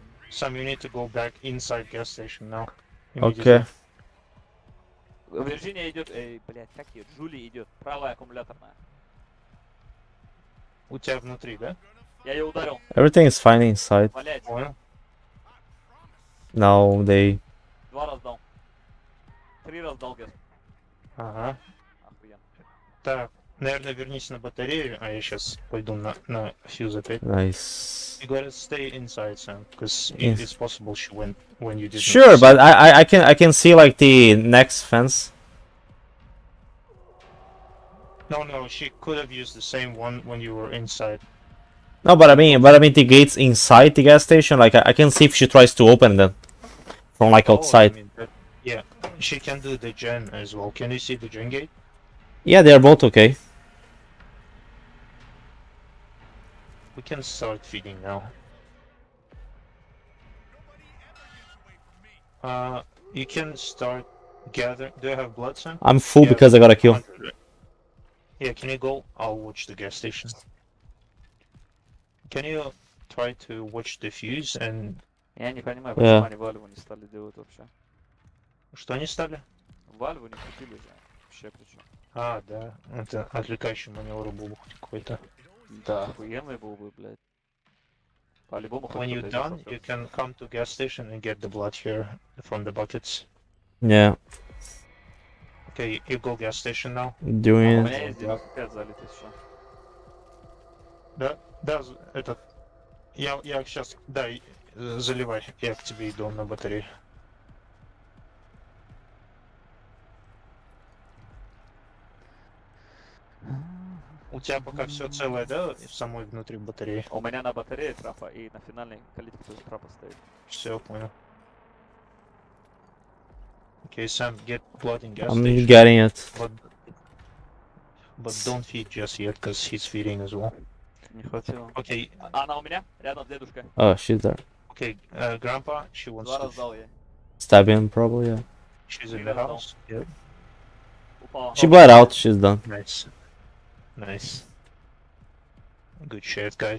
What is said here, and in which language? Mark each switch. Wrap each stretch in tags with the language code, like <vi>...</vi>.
<en>Sam, you need to go back inside gas station now. Okay.</en> <ru>Вирджиния идет, блядь, как ее, Джули идет, правая аккумуляторная. У тебя внутри, да? Я ее ударил.</ru> <en>Everything is fine inside.</en> <ru>Блядь. Понял.</ru> <en>Now they...</en> <ru>Два раз дал. Три раз дал, гэс. Ага. Охуенно. Так, наверное, вернись на батарею, а я сейчас пойду на фьюз опять.</ru> <en>Nice. You gotta stay inside, Sam, because it is possible she went. When you didn't sure, see. But I can see like the next fence. No, she could have used the same one when you were inside. No, but I mean the gates inside the gas station. Like I can see if she tries to open them from like outside. Yeah, she can do the gen as well. Can you see the gen gate? Yeah, they are both okay. We can start feeding now. You can start gathering. Do you have blood, Sam? I'm full because I got a kill. Yeah, can you go? I'll watch the gas station. Can you try to watch the fuse and...</en> <ru>Я не понимаю, почему они вальву не стали делать вообще. Что они стали? Вальву не купили, да. Вообще причем. А, да. Это отвлекающий маневр был какой-то. Да. Охуенный был бы, блядь.</ru> <en>When you're done, you can come to gas station and get the blood here from the buckets. Yeah. Okay, you go gas station now. Doing it.</en> <ru>Я сейчас, да, заливай. Я к тебе иду на батарею. У тебя пока все целое, да, в самой внутри батареи? У меня на батарее трапа и на финальной калитке трапа стоит. Все, понял.</ru> <en>Okay, Sam, get blood in gas I'm station. I'm getting it. But don't feed just yet, because he's feeding as well.</en> <ru>Не хватило.</ru> <en>Okay.</en> <ru>Она у меня, рядом с дедушкой.</ru> <en>Oh, she's there. Okay, grandpa, she wants</en> <ru>два</ru> <en>to...</en> <ru>Два раз дал ей.</ru> <en>Stab him, probably, yeah. She's in the house, yeah.</en> <ru>Упала.</ru> <en>She bled out, she's done. Nice. Nice. Good shit, guys.</en>